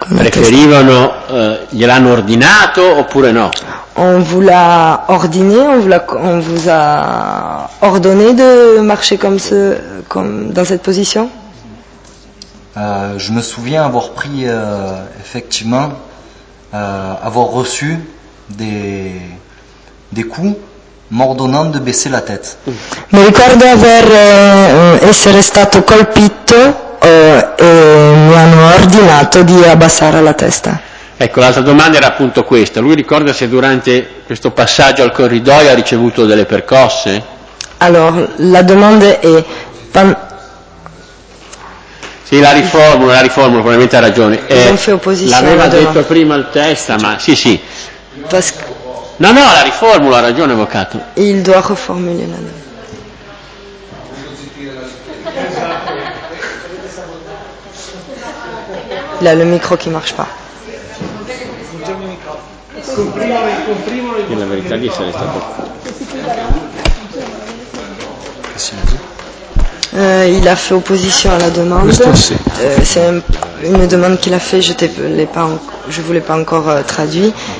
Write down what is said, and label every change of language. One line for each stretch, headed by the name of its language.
Italian: Preferivano, gliel'hanno ordinato oppure no?
French: On vous l'a ordonné, on vous a ordonné de marcher comme dans cette position? Je me souviens avoir pris, effectivement, avoir reçu des coups m'ordonnant de baisser la tête.
Italian: Mi ricordo aver essere stato colpito e mi hanno ordinato di abbassare la testa. Ecco, l'altra domanda era appunto questa. Lui ricorda se durante questo passaggio al corridoio ha ricevuto delle percosse? Allora, la domanda è Sì, la riformulo, probabilmente ha ragione. L'aveva detto prima il testa, ma sì. No, la riformulo, ha ragione avvocato.
French: Il doit reformuler la domanda. Là, le micro qui marche pas.
Italian: Comprimo la verità di essere stato.
French: Il a fait opposition à la demande. C'est une demande qu'il a fait, je ne vous l'ai pas encore traduit.